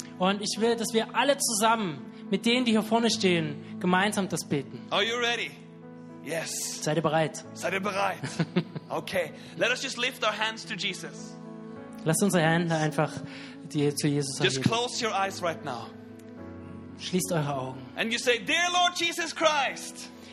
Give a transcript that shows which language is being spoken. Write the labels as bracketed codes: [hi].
[de] Und ich will, dass wir alle zusammen mit denen, die hier vorne stehen, gemeinsam das beten. [en] Are you ready? Yes. [de] Seid ihr bereit? Seid ihr bereit? Okay. [en] Let us just lift our hands to Jesus. [de] Lasst unsere Hände einfach zu Jesus erheben. [en] Just close your eyes right now. [de] Schließt eure Augen. [en] And you say, dear Lord Jesus Christ.